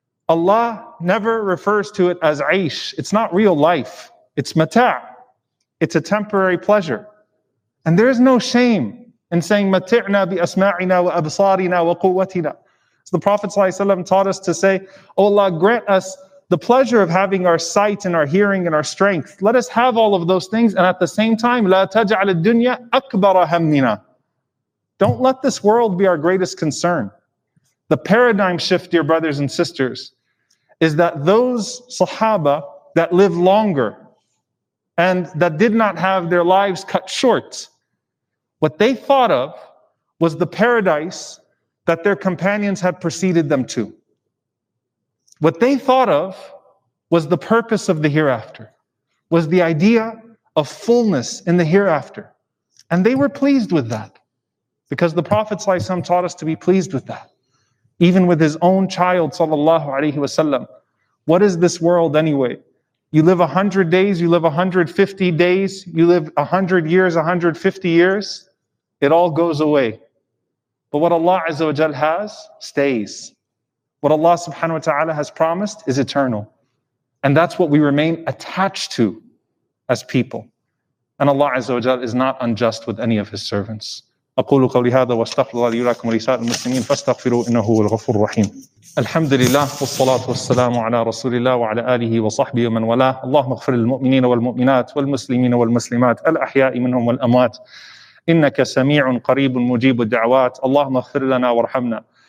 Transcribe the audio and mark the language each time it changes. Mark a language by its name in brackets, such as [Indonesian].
[English] Allah never refers to it as aish. It's not real life. It's mata'. It's a temporary pleasure. And there is no shame in saying [Arabic] mati'na bi asma'ina wa absarina wa quwwatina. [English] So the Prophet ﷺ taught us to say, O Allah, grant us the pleasure of having our sight and our hearing and our strength. Let us have all of those things. And at the same time, [Arabic] لا تجعل الدنيا أكبر همنا. [English] Don't let this world be our greatest concern. The paradigm shift, dear brothers and sisters, is that those Sahaba that lived longer and that did not have their lives cut short, what they thought of was the paradise that their companions had preceded them to. What they thought of was the purpose of the hereafter, was the idea of fullness in the hereafter. And they were pleased with that, because the Prophet ﷺ taught us to be pleased with that. Even with his own child, sallallahu alayhi wasallam. What is this world anyway? You live 100 days, you live 150 days, you live 100 years, 150 years, it all goes away. But what Allah Azza wa Jal has, stays. What Allah subhanahu wa ta'ala has promised is eternal. And that's what we remain attached to as people. And Allah Azza wa Jal is not unjust with any of his servants. [Arabic] أقول قولي هذا واستغفر الله لي ولكم ولسائر المسلمين فاستغفروا إنه هو الغفور الرحيم الحمد لله والصلاة والسلام على رسول الله وعلى آله وصحبه ومن والاه اللهم اغفر للمؤمنين والمؤمنات والمسلمين والمسلمات الأحياء منهم والأموات إنك سميع قريب مجيب الدعوات اللهم اغفر لنا وارحمنا